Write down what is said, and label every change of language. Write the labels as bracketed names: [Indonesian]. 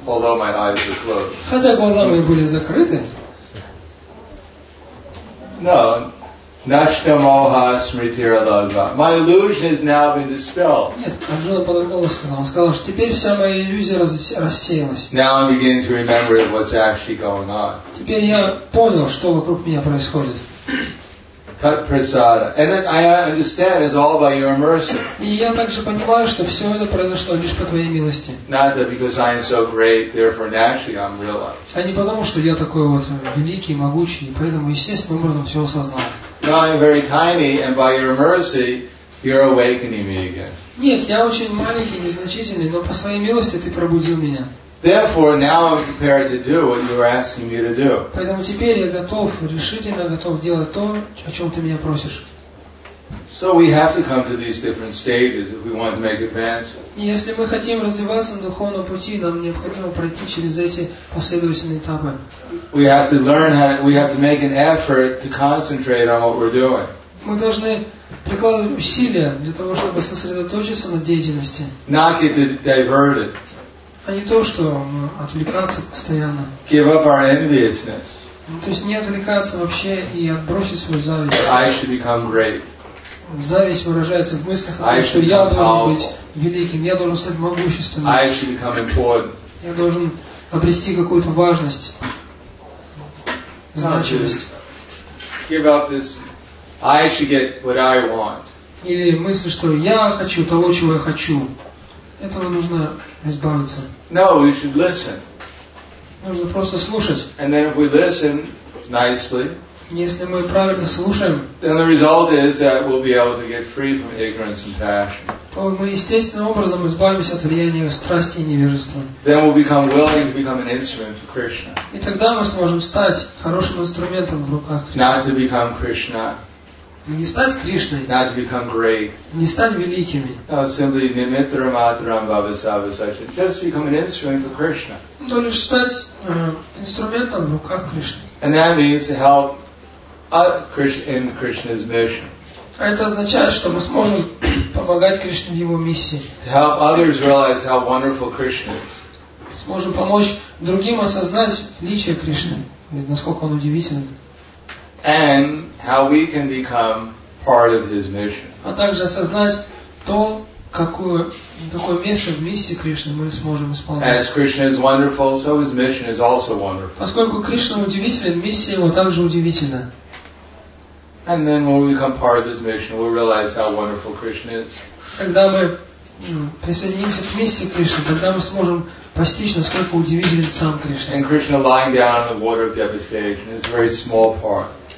[English] Although my eyes were closed. [Russian] Хотя глаза мои были закрыты. [Sanskrit] No. Nashta moha smritira lagva. [English] My illusion has now been dispelled. [Russian] Нет, Арджуна по-другому сказал. Он сказал, что теперь вся моя иллюзия рассеялась. [English] Now I'm beginning to remember what's actually going on. [Russian] Теперь я понял, что вокруг меня происходит. [Sanskrit] Tat prasada. [English] And I understand it's all by your mercy. [Russian] И я также понимаю, что все это произошло лишь по твоей милости. [English] Not that because I am so great, therefore naturally I'm realized. [Russian] А не потому, что я такой вот великий, могучий, поэтому естественным образом все осознал. [English] No, I'm very tiny, and by your mercy, you're awakening me again. [Russian] Нет, я очень маленький, незначительный, но по своей милости ты пробудил меня. [English] Therefore, now I'm prepared to do what you're asking me to do. [Russian] Поэтому теперь я готов, решительно готов делать то, о чем ты меня просишь. [English] So we have to come to these different stages if we want to make advance. [Russian] Если мы хотим развиваться на духовном пути, нам необходимо пройти через эти последовательные этапы. [English] We have to learn how to, we have to make an effort to concentrate on what we're doing. [Russian] Мы должны прикладывать усилия для того, чтобы сосредоточиться на деятельности. [English] Not get diverted. [Russian] А не то, что отвлекаться постоянно. [English] Give up our enviousness. [Russian] То есть не отвлекаться вообще и отбросить свою зависть. [English] I should become great. [Russian] Зависть выражается в мыслях о том, что я должен быть великим, я должен стать могущественным. [English] I should become important. [Russian] Я должен обрести какую-то важность, значимость. [English] Give up this. I should get what I want. [Russian] Или мысль, что я хочу того, чего я хочу. Этого нужно избавиться. [English] No, we should listen. [Russian] Нужно просто слушать. [English] And then if we listen nicely, [Russian] если мы правильно слушаем, [English] then the result is that we'll be able to get free from ignorance and passion. [Russian] То мы естественным образом избавимся от влияния страсти и невежества. [English] Then we'll become willing to become an instrument for Krishna. [Russian] И тогда мы сможем стать хорошим инструментом в руках Кришны. [English] Not to become Krishna. [Russian] Не стать Кришной. [English] Not to become great. [Russian] Не стать великими. [English] No, simply [Sanskrit] nimitra matram bhavasavasaja. [English] Just become an instrument for Krishna. [Russian] То лишь стать инструментом в руках Кришны. [English] And that means to help in Krishna's mission. [Russian] А это означает, что мы сможем помогать Кришне в его миссии. [English] Help others realize how wonderful Krishna is. [Russian] Сможем помочь другим осознать личие Кришны, насколько он удивителен. [English] And how we can become part of his mission. [Russian] А также осознать то, какое место в миссии Кришны мы сможем исполнять. [English] As Krishna is wonderful, so his mission is also wonderful. [Russian] Поскольку Кришна удивителен, миссия его также удивительна. [English] And then when we become part of his mission, we'll realize how wonderful Krishna is. [Russian] Когда мы присоединимся к миссии Кришны, тогда мы сможем постичь, насколько удивителен сам Кришна. [English] And Krishna lying down on the water of devastation is a very small part.